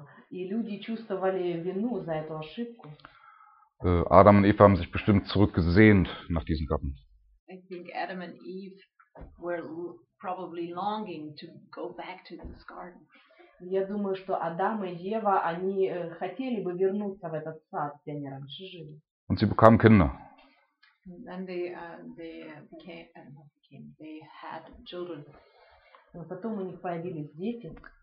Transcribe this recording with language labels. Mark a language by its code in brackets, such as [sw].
[ru] И люди чувствовали вину за эту ошибку. [de] Adam und Eva haben sich bestimmt zurückgesehnt nach diesem Garten. [en] I think Adam and Eve were probably longing to go back to this garden. [ru] Я думаю, что Адам и Ева, они хотели бы вернуться в этот сад, где они раньше жили. [de] Und sie bekamen Kinder. [en] And they had children. [ru] Но потом у них появились дети.